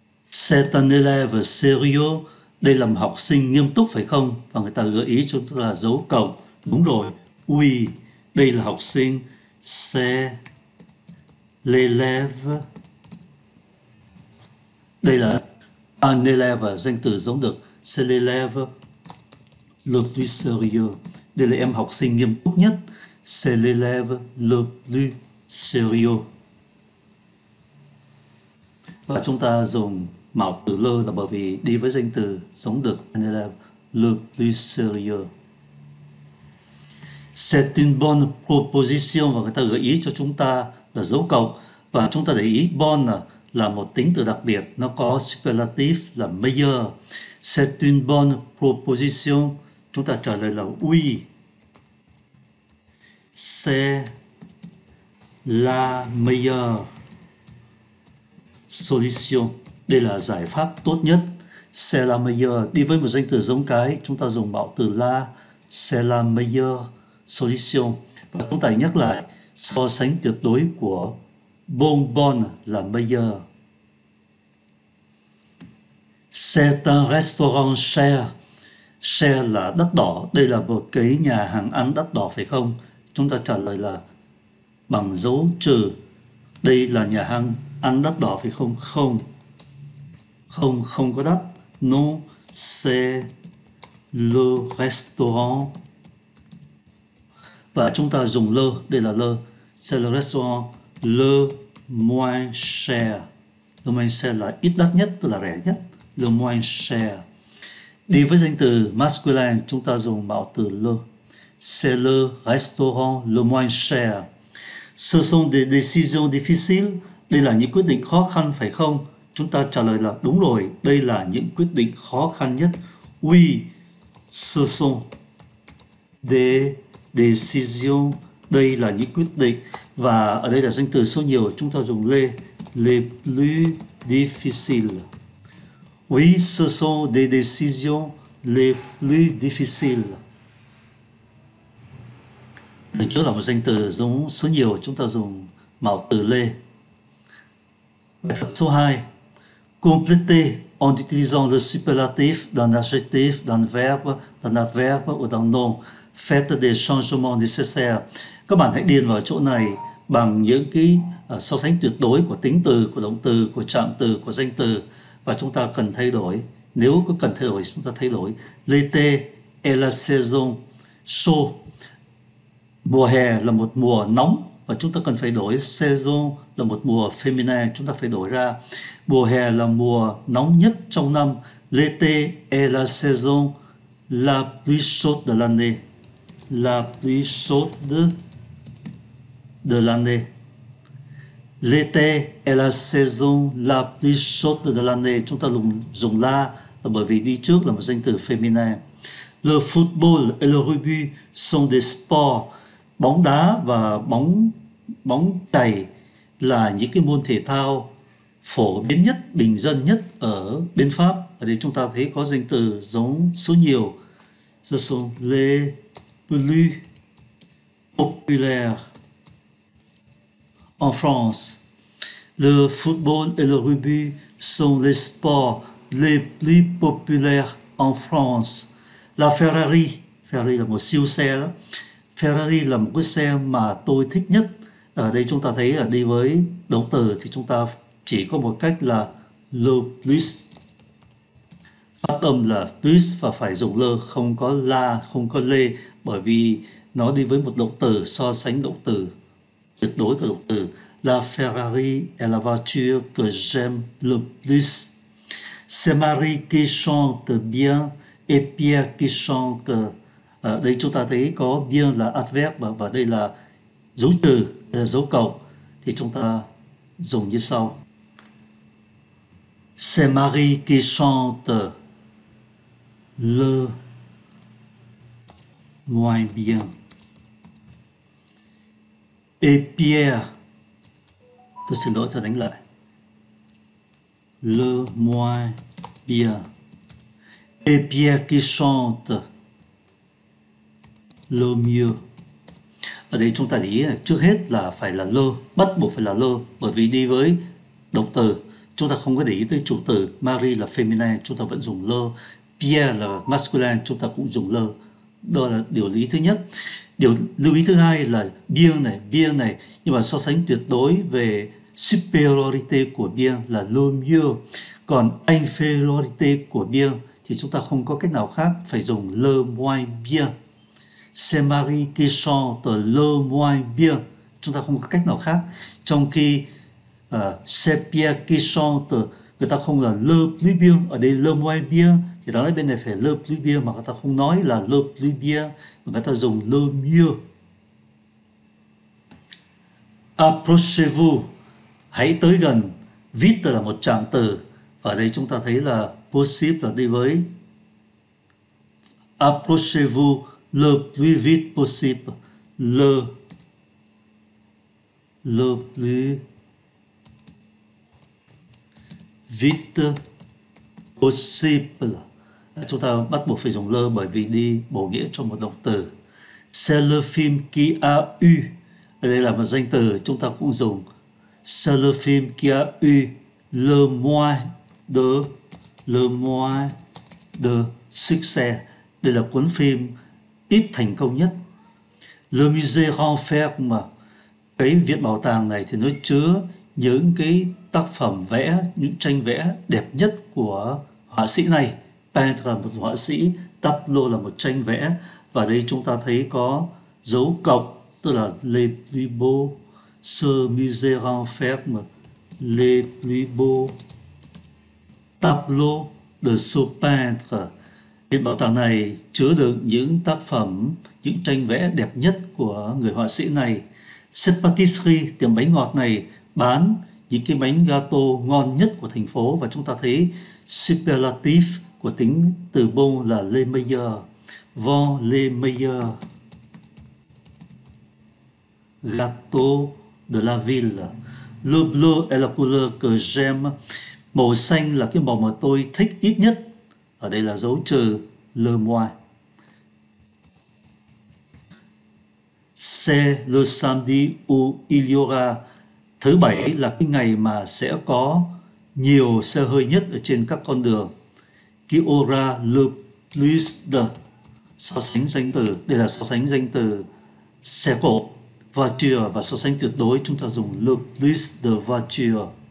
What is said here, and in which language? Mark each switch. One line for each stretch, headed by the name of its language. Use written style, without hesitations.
French: C'est un élève sérieux.
Vietnamese: Đây là một học sinh nghiêm túc phải không? Và người ta gợi ý chúng ta là dấu cộng. Đúng rồi. Oui, đây là học sinh.
French: C'est l'élève.
Vietnamese: Đây là un élève, danh từ giống đực.
French: C'est l'élève le plus sérieux.
Vietnamese: Đây là em học sinh nghiêm túc nhất.
French: C'est l'élève le plus sérieux.
Vietnamese: Và chúng ta dùng mạo từ le là bởi vì đi với danh từ giống đực
French: un élève le plus sérieux. C'est une bonne proposition,
Vietnamese: và người ta gợi ý cho chúng ta là dấu cộng. Và chúng ta để ý bon là một tính từ đặc biệt, nó có superlative là meilleur.
French: C'est une bonne proposition.
Vietnamese: Chúng ta trả lời là oui.
French: C'est la meilleure solution.
Vietnamese: Đây là giải pháp tốt nhất.
French: C'est la meilleure.
Vietnamese: Đi với một danh từ giống cái, chúng ta dùng mạo từ là.
French: C'est la meilleure solution.
Vietnamese: Và chúng ta nhắc lại, so sánh tuyệt đối của bonbon là meilleur.
French: C'est un restaurant cher.
Vietnamese: Cher là đắt đỏ. Đây là một cái nhà hàng ăn đắt đỏ phải không? Chúng ta trả lời là bằng dấu trừ. Đây là nhà hàng ăn đắt đỏ phải không? Không. Không, không có đắt.
French: No, c'est le restaurant.
Vietnamese: Và chúng ta dùng le, đây là le.
French: C'est le restaurant le moins cher.
Vietnamese: Le moins cher là ít đắt nhất, tức là rẻ nhất.
French: Le moins cher.
Vietnamese: Đi với danh từ masculine, chúng ta dùng mạo từ le.
French: C'est le restaurant le moins cher. Ce sont des décisions difficiles.
Vietnamese: Đây là những quyết định khó khăn phải không? Chúng ta trả lời là đúng rồi. Đây là những quyết định khó khăn nhất.
French: Oui, ce sont des décisions.
Vietnamese: Đây là những quyết định. Và ở đây là danh từ số nhiều. Chúng ta dùng les plus difficiles.
French: Oui, ce sont des décisions les plus difficiles.
Vietnamese: Đây trước là một danh từ giống số nhiều, chúng ta dùng mạo từ lê. Bài tập số 2.
French: Compléter en utilisant le superlatif d'un adjectif, d'un verbe, d'un adverbe ou d'un nom. Fête des changements nécessaires.
Vietnamese: Các bạn hãy điền vào chỗ này bằng những cái so sánh tuyệt đối của tính từ, của động từ, của trạng từ, của danh từ. Và chúng ta cần thay đổi. Nếu có cần thay đổi, chúng ta thay đổi.
French: L'été est la saison chaud.
Vietnamese: Mùa hè là một mùa nóng và chúng ta cần phải đổi. Saison là một mùa féminin, chúng ta phải đổi ra. Mùa hè là mùa nóng nhất trong năm.
French: L'été est la saison la plus chaude de l'année. La plus chaude de l'année. L'été est la saison la plus chaude de l'année.
Vietnamese: Chúng ta dùng là bởi vì đi trước là một danh từ féminin.
French: Le football et le rugby sont des sports.
Vietnamese: Bóng đá và bóng chày là những cái môn thể thao phổ biến nhất, bình dân nhất ở bên Pháp. Ở đây chúng ta thấy có danh từ giống số nhiều.
French: Ce sont les plus populaires en France. Le football et le rugby sont les sports les plus populaires en France.
Vietnamese: La Ferrari, Ferrari là một siêu xe đó. Ferrari là một cái xe mà tôi thích nhất. Ở đây chúng ta thấy là đi với động từ thì chúng ta chỉ có một cách là le plus. Phát âm là plus và phải dùng le, không có la, không có le, bởi vì nó đi với một động từ, so sánh động từ, tuyệt đối của động từ.
French: La Ferrari est la voiture que j'aime le plus. C'est Marie qui chante bien et Pierre qui chante.
Vietnamese: À, đây chúng ta thấy có bien là adverb và đây là dấu trừ, dấu cộng. Thì chúng ta dùng như sau.
French: C'est Marie qui chante le moins bien. Et Pierre,
Vietnamese: tôi xin lỗi, tôi đánh lại.
French: Le moins bien. Et Pierre qui chante le mieux.
Vietnamese: Ở đây chúng ta để ý trước hết là phải là le, bắt buộc phải là le, bởi vì đi với động từ, chúng ta không có để ý tới chủ từ. Marie là feminine, chúng ta vẫn dùng le. Pierre là masculine, chúng ta cũng dùng le. Đó là điều lưu ý thứ nhất. Điều lưu ý thứ hai là bien này, nhưng mà so sánh tuyệt đối về superiority của bien là le mieux, còn inferiority của bien thì chúng ta không có cách nào khác, phải dùng
French: le moins bien. C'est Marie qui chante le moins bien.
Vietnamese: Chúng ta không có cách nào khác. Trong khi
French: c'est Pierre qui chante,
Vietnamese: người ta không là le plus bien. Ở đây le moins bien thì đó là bên này phải le plus bien, mà người ta không nói là le plus bien, mà người ta dùng le mieux.
French: Approchez-vous,
Vietnamese: hãy tới gần. Vite là một trạng từ, và ở đây chúng ta thấy là possible là đi với.
French: Approchez-vous le plus vite possible. Le plus vite possible.
Vietnamese: Chúng ta bắt buộc phải dùng le bởi vì đi bổ nghĩa cho một động từ.
French: C'est le film qui a eu.
Vietnamese: Đây là một danh từ, chúng ta cũng dùng.
French: C'est le film qui a eu le moins de succès.
Vietnamese: Đây là cuốn phim ít thành công nhất.
French: Le musée renferme,
Vietnamese: cái viện bảo tàng này thì nó chứa những cái tác phẩm vẽ, những tranh vẽ đẹp nhất của họa sĩ này. Peintre là một họa sĩ, tableau là một tranh vẽ. Và đây chúng ta thấy có dấu cộng, tức là les plus beaux.
French: Ce musée renferme les plus beaux tableaux de ce peintre.
Vietnamese: Viện bảo tàng này chứa được những tác phẩm, những tranh vẽ đẹp nhất của người họa sĩ này.
French: C'est pâtisserie,
Vietnamese: tiệm bánh ngọt này bán những cái bánh gato ngon nhất của thành phố. Và chúng ta thấy superlatif của tính từ bon là les meilleurs.
French: Vend les meilleurs gâteaux de la ville. Le bleu est la couleur que j'aime.
Vietnamese: Màu xanh là cái màu mà tôi thích ít nhất. Ở đây là dấu trừ le moins.
French: C'est le samedi où il y aura.
Vietnamese: Thứ bảy là cái ngày mà sẽ có nhiều xe hơi nhất ở trên các con đường.
French: Qui aura le plus de.
Vietnamese: so sánh danh từ, đây là so sánh danh từ circle, voiture, và so sánh tuyệt đối chúng ta dùng
French: le plus de voiture.